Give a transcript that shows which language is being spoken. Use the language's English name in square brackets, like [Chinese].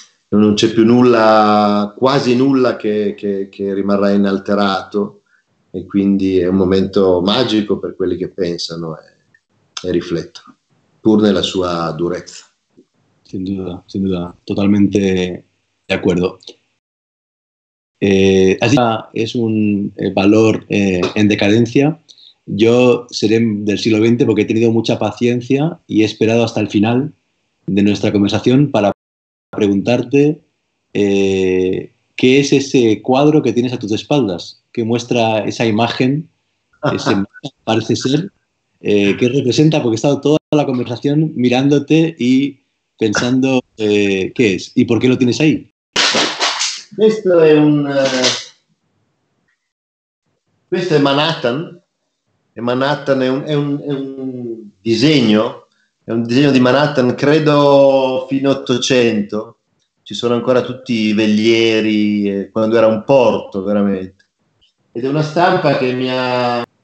[Italian] non c'è più nulla, quasi nulla che rimarrà inalterato, e quindi è un momento magico per quelli che pensano e riflettono, pur nella sua durezza. [Spanish] Sin duda, totalmente de acuerdo. Así es un valor en decadencia. Yo seré del siglo XX porque he tenido mucha paciencia y he esperado hasta el final de nuestra conversación para preguntarte qué es ese cuadro que tienes a tus espaldas, que muestra esa imagen, ese parece ser, qué representa, porque he estado toda la conversación mirándote y pensando qué es y por qué lo tienes ahí. [Italian] Questo è un questo è Manhattan, e Manhattan è un disegno, è un disegno di Manhattan, credo fino all'Ottocento, ci sono ancora tutti i veglieri, quando era un porto veramente, ed è una stampa che mi ha